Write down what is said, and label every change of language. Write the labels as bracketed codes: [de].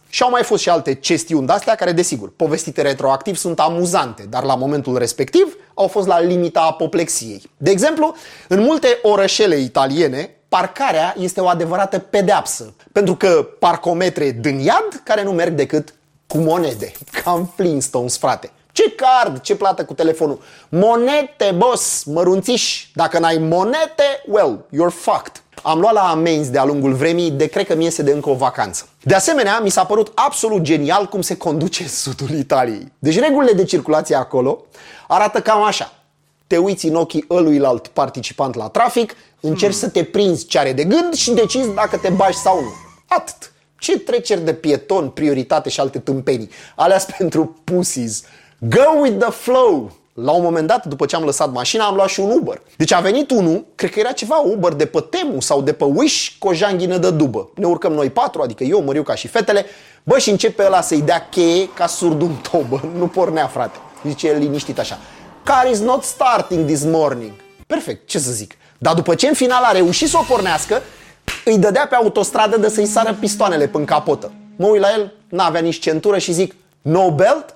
[ro] Și au mai fost și alte chestiuni de-astea care, desigur, povestite retroactiv, sunt amuzante, dar la momentul respectiv au fost la limita apoplexiei. De exemplu, în multe orășele italiene, parcarea este o adevărată pedeapsă, pentru că parcometre din iad care nu merg decât cu monede. Cam Flintstones, frate. Ce card, ce plată cu telefonul. Monete, boss, mărunțiș. Dacă n-ai monete, [en] well, you're fucked. [ro] Am luat la amenzi de-a lungul vremii de cred că mi iese de încă o vacanță. De asemenea, mi s-a părut absolut genial cum se conduce sudul Italiei. Deci regulile de circulație acolo arată cam așa. Te uiți în ochii ăluilalt participant la trafic, încerci să te prinzi ce are de gând și decizi dacă te bași sau nu. Atât. Ce treceri de pieton, prioritate și alte tâmpenii. Aleas pentru pussies. [en] Go with the flow! [ro] La un moment dat, după ce am lăsat mașina, am luat și un Uber. Deci a venit unul, cred că era ceva Uber de pe Temu sau de pe Wish, cu o janghină de dubă. Ne urcăm noi patru, adică eu, Măriuca și fetele, bă, și începe ăla să-i dea cheie ca surdul tobă. Nu pornea, frate. Zice el liniștit așa. [en] Car is not starting this morning. [ro] Perfect, ce să zic. Dar după ce în final a reușit să o pornească, îi dădea pe autostradă de să-i sară pistoanele pe-n capotă. Mă uit la el, n-avea nici centură și zic, [en] no belt?